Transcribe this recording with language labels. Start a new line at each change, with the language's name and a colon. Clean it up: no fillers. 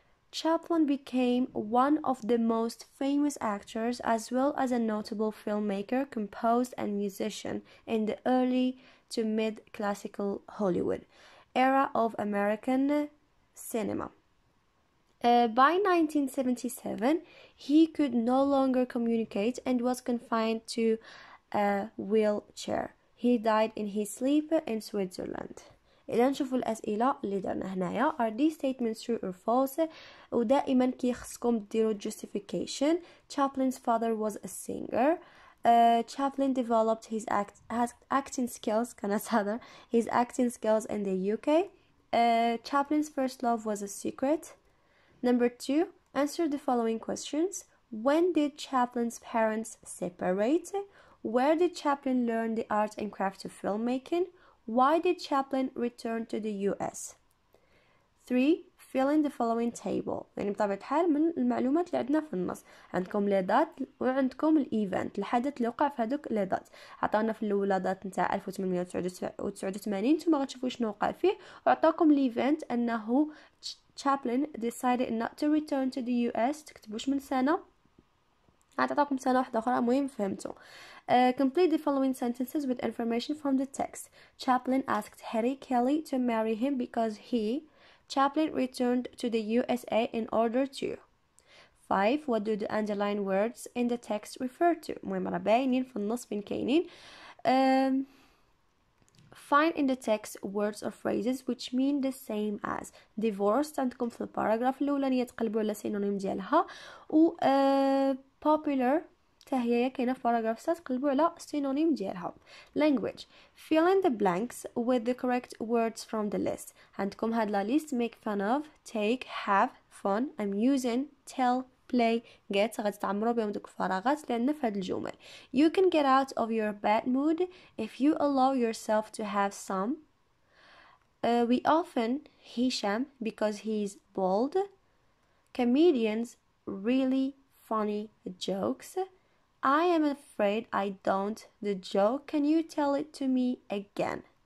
English: Chaplin became one of the most famous actors as well as a notable filmmaker, composer, and musician in the early to mid-classical Hollywood era of American cinema. By 1977, he could no longer communicate and was confined to a wheelchair. He died in his sleep in Switzerland.
Arabic: إذا نشوفوا الأسئلة اللي درنا هنايا.
English: Are these statements true or false؟
Arabic: ودائما كيخصكم ديروا
English: justification. Chaplin's father was a singer. Chaplin developed his acting skills. His acting skills in the UK. Chaplin's first love was a secret. Number two, answer the following questions. When did Chaplin's parents separate? Where did Chaplin learn the art and craft of filmmaking? Why did Chaplin return to the US? Three, fill in the following table.
Arabic: يعني بطبيعة الحال من المعلومات اللي عندنا في النص. عندكم لي دات وعندكم الايفنت. الحدث اللي وقع في هذوك لي دات. عطاونا في الاولى دات نتاع 1889 نتوما غتشوفوا شنو وقع فيه. وعطاكم الايفنت انه
English: Chaplin decided not to return to the US.
Arabic: تكتبوش من سنة. عطاكم سنة واحدة اخرى مهم فهمتو.
English: Complete the following sentences with information from the text. Chaplin asked Harry Kelly to marry him because he, Chaplin, returned to the USA in order to. 5. What do the underlined words in the text refer to?
Arabic: مهمرة باينين في النص فين كاينين.
English: Find in the text words or phrases which mean the same as divorced.
Arabic: عندكم في الباراغراف الأولانية تقلبوا على سينونيم ديالها. و popular تهيا كاينة في باراغراف ست تقلبوا على سينونيم ديالها.
English: Language. Fill in the blanks with the correct words from the list.
Arabic: عندكم هاد لا ليست.
English: Make fun of. Take. Have. Fun. Amusing. Tell. Play, get,
Arabic: غتستعمروا بهم دوك الفراغات اللي عندنا في هاد الجمل.
English: You can get out of your bad mood if you allow yourself to have some. We often Hisham because he's bald. Comedians really funny jokes. I am afraid I don't the joke. Can you tell it to me again?